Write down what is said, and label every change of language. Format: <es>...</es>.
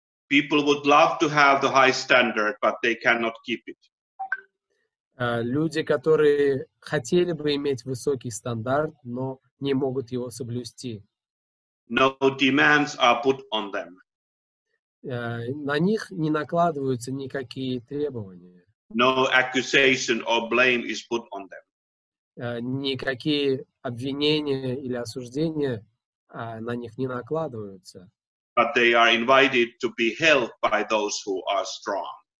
<en>People would love to have the high standard, but they cannot keep it.</en> <ru>Люди, которые хотели бы иметь высокий стандарт, но не могут его соблюсти.</ru> <en>No demands are put on them.</en> <ru>На них не накладываются никакие требования.</ru> <en>No accusation or blame is put on them.</en> <ru>Никакие обвинения или осуждения на них не накладываются.</ru> <en>But they are invited to be held by those who are strong.</en>